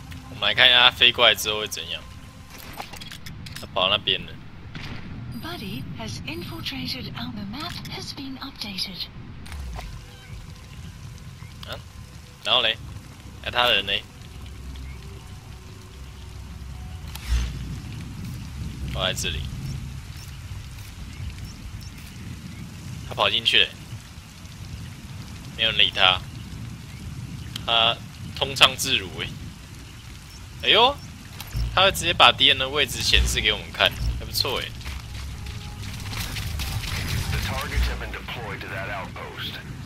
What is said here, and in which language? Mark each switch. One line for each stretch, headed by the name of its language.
Chinese: 我们来看一下他飞过来之后会怎样。他跑到那边了。
English: Buddy has infiltrated and the map has been updated.
Chinese: 啊？然后嘞？哎、啊，他的人嘞？跑来这里。他跑进去了，没有人理他。他通畅自如哎、欸，哎呦，他会直接把敌人的位置显示给我们看，还不错哎、欸。
English: The targets have been deployed to that outpost.